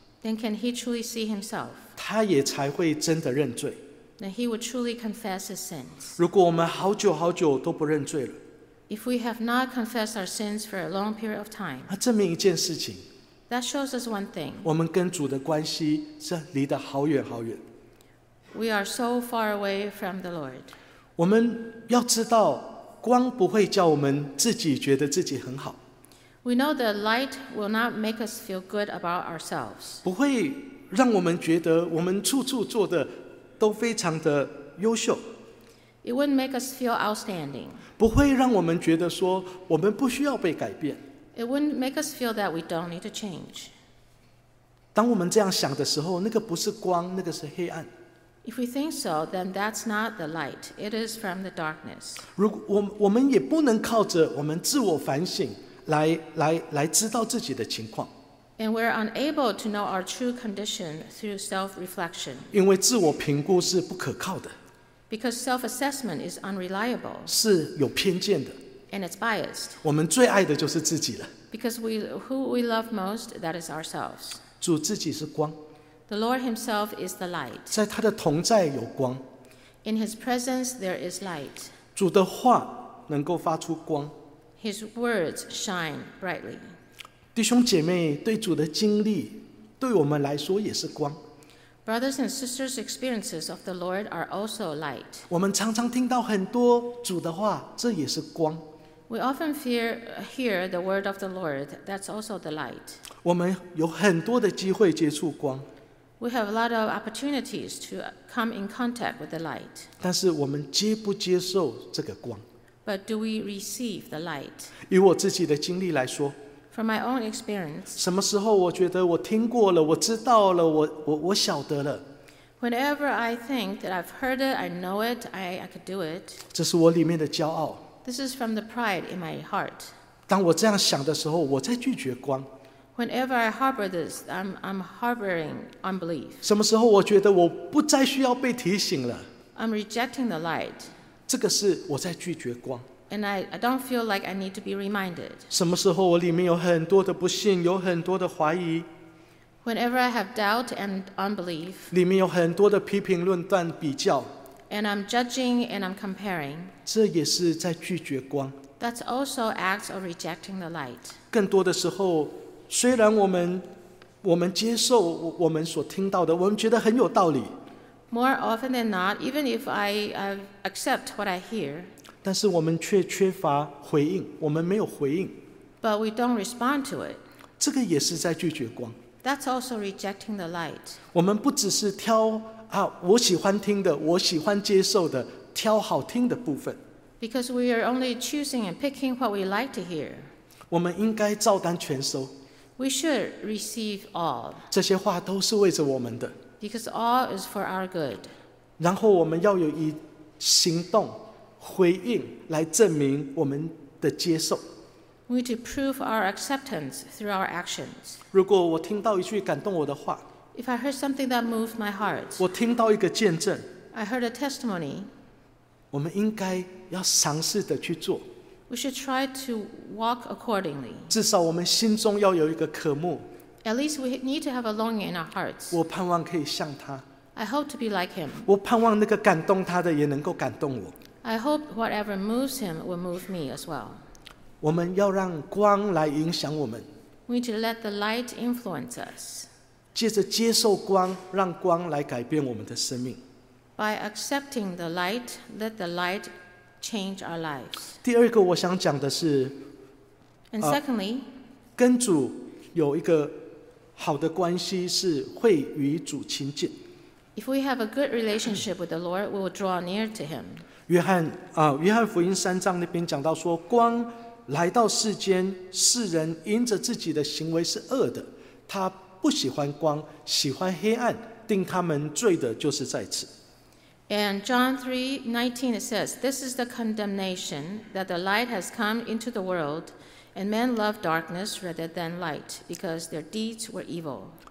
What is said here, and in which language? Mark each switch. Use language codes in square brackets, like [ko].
[en] Then can he truly see himself? [zh] 他也才会真的认罪。 [en] Then he would truly confess his sins. [zh] 如果我们好久好久都不认罪了。 [en] If we have not confessed our sins for a long period of time. [zh] 那证明一件事情。 [en] That shows us one thing. [zh] 我们跟主的关系是离得好远好远。 [en] We are so far away from the Lord. [zh] 我们要知道光不会叫我们自己觉得自己很好。 [en] We know the light will not make us feel good about ourselves. [zh] 不会让我们觉得我们处处做的都非常的优秀。 [en] It wouldn't make us feel outstanding. [zh] 不会让我们觉得说我们不需要被改变。 [en] It wouldn't make us feel that we don't need to change. [zh] 当我们这样想的时候，那个不是光，那个是黑暗。 [en] If we think so, then that's not the light. It is from the darkness. [zh] 如果我们也不能靠着我们自我反省来知道自己的情况。 [en] And we're unable to know our true condition through self-reflection. [zh] 因为自我评估是不可靠的。 [en] Because self-assessment is unreliable. [zh] 是有偏见的。 [en] And it's biased. [zh] 我们最爱的就是自己了。 [en] Because who we love most, that is ourselves. [zh] 主自己是光。 [en] The Lord Himself is the light. [zh] 在他的同在有光。 [en] In His presence there is light. [zh] 主的话能够发出光。 [en] His words shine brightly. [zh] 弟兄姐妹对主的经历，对我们来说也是光。 [en] Brothers and sisters' experiences of the Lord are also light. [zh] 我们常常听到很多主的话，这也是光。 [en] We often hear the word of the Lord. That's also the light. [zh] 我们有很多的机会接触光。 [en] We have a lot of opportunities to come in contact with the light. [zh] 但是我们接不接受这个光？ [en] But do we receive the light? [zh] 以我自己的经历来说， [en] From my own experience, [zh] 什么时候我觉得我听过了，我知道了，我晓得了？ [en] Whenever I think that I've heard it, I know it, I could do it. [zh] 这是我里面的骄傲。 [en] This is from the pride in my heart. [zh] 当我这样想的时候，我在拒绝光。 [en] Whenever I harbor this, I'm harboring unbelief. [zh] 什么时候我觉得我不再需要被提醒了？ [en] I'm rejecting the light. [zh] 这个是我在拒绝光。 [en] And I don't feel like I need to be reminded. [zh] 什么时候我里面有很多的不信，有很多的怀疑？ [en] Whenever I have doubt and unbelief. [zh] 里面有很多的批评、论断、比较。 [en] And I'm judging and I'm comparing. [zh] 这也是在拒绝光。 [en] That's also acts of rejecting the light. [zh] 更多的时候，虽然我们接受我们所听到的，我们觉得很有道理。 [en] More often than not, even if I accept what I hear, [zh] 但是我们却缺乏回应，我们没有回应。 [en] But we don't respond to it. [zh] 这个也是在拒绝光。 [en] That's also rejecting the light. [zh] 我们不只是挑啊，我喜欢听的，我喜欢接受的，挑好听的部分。 [en] Because we are only choosing and picking what we like to hear. [zh] 我们应该照单全收。 [en] We should receive all. [zh] 这些话都是为着我们的。 [en] Because all is for our good. [zh] 然后我们要有以行动回应来证明我们的接受。 [en] We need to prove our acceptance through our actions. [zh] 如果我听到一句感动我的话， [en] If I heard something that moved my heart, [zh] 我听到一个见证， [en] I heard a testimony, [zh] 我们应该要尝试的去做。 [en] We should try to walk accordingly. [zh] 至少我们心中要有一个渴慕。 [en] At least we need to have a longing in our hearts. [zh] 我盼望可以像他。 [en] I hope to be like him. [zh] 我盼望那个感动他的也能够感动我。 [en] I hope whatever moves him will move me as well. [zh] 我们要让光来影响我们。 [en] We need to let the light influence us. [zh] 借着接受光，让光来改变我们的生命。 [en] By accepting the light, let the light change our lives. [zh] 第二个我想讲的是 [en] And secondly, [zh] 跟主有一个好的关系是会与主亲近。 [en] If we have a good relationship with the Lord, we will draw near to Him. [zh] 约翰福音三章那边讲到说，光来到世间，世人因着自己的行为是恶的，他不喜欢光，喜欢黑暗，定他们罪的就是在此。 [en] And John 3:19 it says, This is the condemnation, that the light has come into the world, and men love darkness rather than light, because their deeds were evil.